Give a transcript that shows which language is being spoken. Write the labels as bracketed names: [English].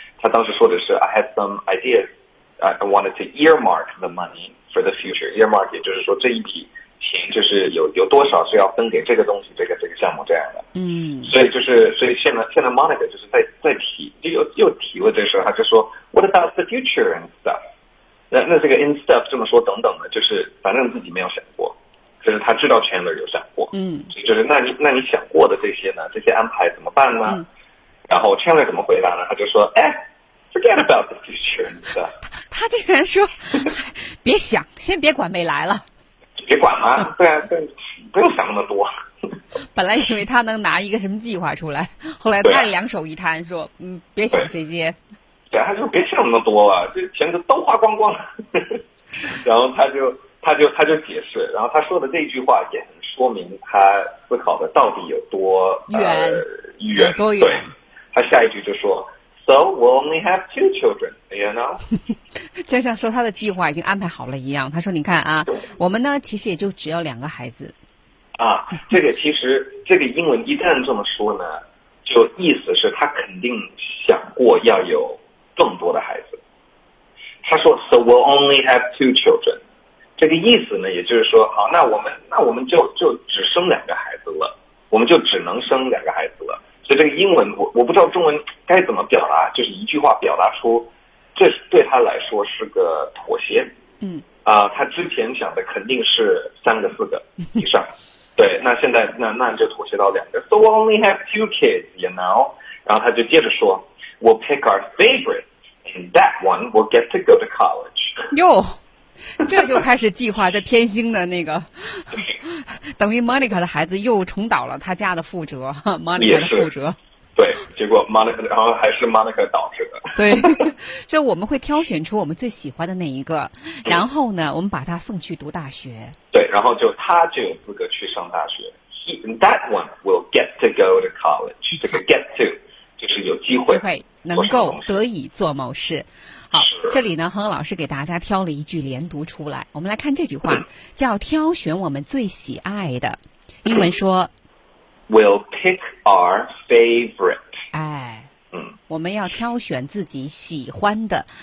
[Chinese] 他当时说的是 [English] I had some ideas I wanted to earmark the money for the future. [Chinese] Earmark 也就是说这一笔钱就是有多少是要分给这个东西这个项目这样的。所以现在 Monica 就是在提又提了这事，他就说 [English] What about the future and stuff？ [Chinese] 那这个 in stuff 这么说等等的，就是反正自己没有想过，就是他知道 Chandler 有想过，就是那你想过的这些呢，这些安排怎么办呢？然后 Chandler 怎么回答呢？他就说：“哎 ， [English] forget about the future。” [Chinese] 他竟然说：“别想，先别管未来了。” 别管了，对啊，不用想那么多。本来以为他能拿一个什么计划出来，后来他两手一摊，说：“别想这些。” 对，他就别想那么多了，这钱都花光光了。然后他就解释，然后他说的这句话也很说明他思考的到底有多远，远多远。他下一句就说 [English] So we'll only have two children, you know? [Chinese] 就像说他的计划已经安排好了一样，他说你看啊，我们呢其实也就只有两个孩子。啊，这个其实这个英文一旦这么说呢，就意思是他肯定想过要有更多的孩子。他说 [English] So we'll only have two children， [Chinese] 这个意思呢也就是说好，那我们就只生两个孩子了，我们就只能生两个孩子了。所以这个英文我不知道中文该怎么表达，就是一句话表达出这对他来说是个妥协。他之前讲的肯定是三个四个以上，对，那现在那就妥协到两个。 [English] So only have two kids, you know? [Chinese] 然后他就接着说 [English] We'll pick our favorite and that one will get to go to college. [Chinese] 哟，这就开始计划这偏心的那个等于 Monica 的孩子又重蹈了他家的覆辙 Monica 的覆辙。对，结果 Monica 然后还是 Monica 导致的。对，就我们会挑选出我们最喜欢的那一个，然后呢我们把他送去读大学。对，然后就他就有资格去上大学。 [English] He, That one will get to go to college. [Chinese] 这个 get to 就是有机会能够得以做某事。好，这里呢恒恒老师给大家挑了一句连读出来，我们来看这句话，叫挑选我们最喜爱的。英文说 [English] We'll pick our favorite. [Chinese] 哎，我们要挑选自己喜欢的。